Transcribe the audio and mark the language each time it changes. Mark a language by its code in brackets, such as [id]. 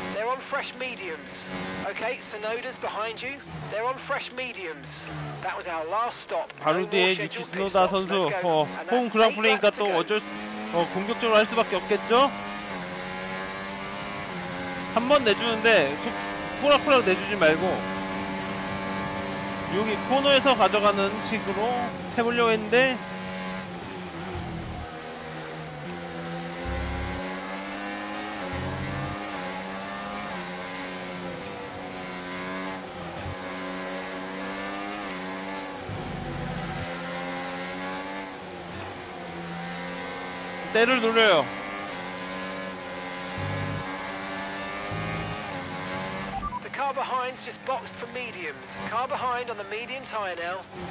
[en] They're on fresh mediums. Okay, Tsunoda's behind you. They're on fresh mediums. That was our last stop. [ko] 바로 뒤에 유키 스노다 선수. 어, 홈 그랑프리니까 또 어쩔 수, 어, 공격적으로 할 수밖에 없겠죠? 한 번 내주는데 호락호락 내주지 말고 여기 코너에서 가져가는 식으로 해보려고 했는데 때를 누려요. [en] The car behind's just boxed for mediums. Car behind on the medium tire now.